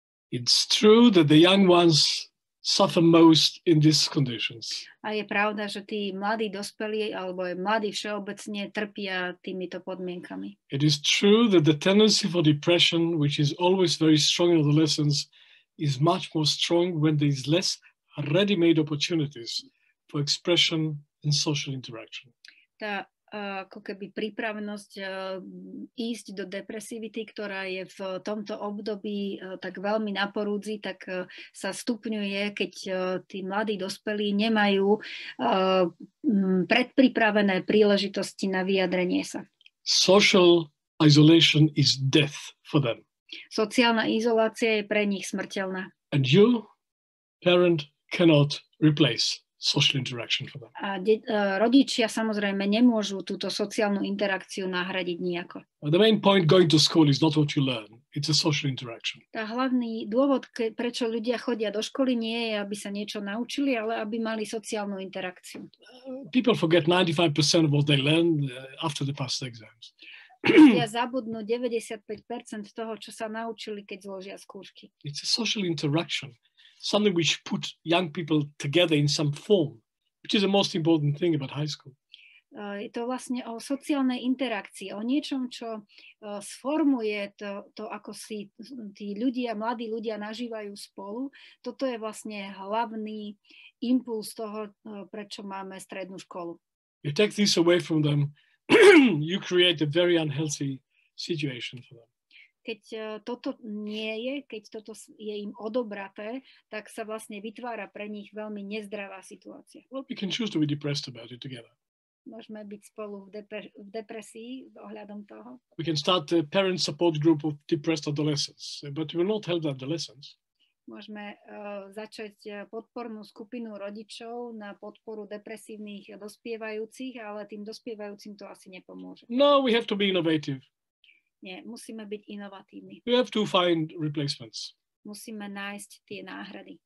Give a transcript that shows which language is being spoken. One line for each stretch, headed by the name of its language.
English: It's true that the young ones suffer most in these conditions.
Slovak: A je pravda, že tí mladí dospelí alebo mladí všeobecne trpia týmito podmienkami.
English: It is true that the tendency for depression, which is always very strong in adolescence, is much more strong when there is less ready-made opportunities for expression and social interaction.
Slovak: Tá ako keby prípravnosť ísť do depresivity, ktorá je v tomto období tak veľmi na porúdzi, tak sa stupňuje, keď tí mladí dospelí nemajú predpripravené príležitosti na vyjadrenie sa.
English: Social isolation is death for them.
Slovak: Sociálna izolácia je pre nich smrteľná.
English: And you, parent, cannot replace social interaction for them.
Slovak: A rodičia samozrejme nemôžu túto sociálnu interakciu nahradiť nijako.
English: The main point going to school is not what you learn. It's a social interaction.
Slovak: Tá hlavný dôvod, prečo ľudia chodia do školy, nie je, aby sa niečo naučili, ale aby mali sociálnu interakciu.
English: People forget 95% of what they learn after they pass the exams.
Slovak: Ja zabudnú 95% toho, čo sa naučili, keď zložia skúšky.
English: It's a social interaction. Something which put young people together in some form, which is the most important thing about high school.
Slovak: Je to vlastne o sociálnej interakcii, o niečom, čo sformuje to, ako si tí ľudia, mladí ľudia nažívajú spolu. Toto je vlastne hlavný impuls toho, prečo máme strednú školu.
English: You take this away from them, you create a very unhealthy situation for them.
Slovak: Keď toto nie je, keď toto je im odobraté, tak sa vlastne vytvára pre nich veľmi nezdravá situácia.
English: Well, we can choose to be depressed about it together.
Slovak: Môžeme byť spolu v depresii ohľadom toho.
English: We can start a parent support group of depressed adolescents, but we will not help the adolescents.
Slovak: Môžeme začať podpornú skupinu rodičov na podporu depresívnych dospievajúcich, ale tým dospievajúcim to asi nepomôže.
English: No, we have to be innovative.
Slovak: Nie, musíme byť inovatívni.
English: We have to find replacements.
Slovak: Musíme nájsť tie náhrady.